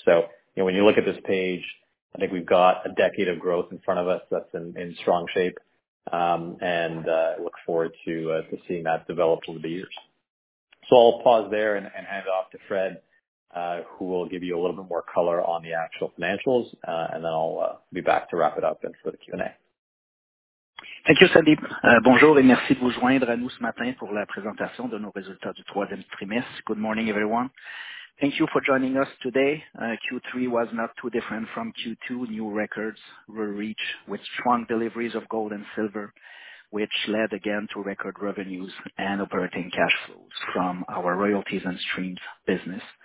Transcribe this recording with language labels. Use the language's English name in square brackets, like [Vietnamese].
[English] So, you know, when you look at this page, I think we've got a decade of growth in front of us that's in strong shape. Look forward to seeing that develop over the years. So I'll pause there and hand it off to Fred, who will give you a little bit more color on the actual financials, and then I'll be back to wrap it up and for the Q&A. Thank you, Sandeep. [French] Bonjour et merci de vous joindre à nous ce matin pour la présentation de nos résultats du troisième trimestre. [English] Good morning, everyone. Thank you for joining us today. Q3 was not too different from Q2. New records were reached with strong deliveries of gold and silver, which led again to record revenues and operating cash flows from our royalties and streams business.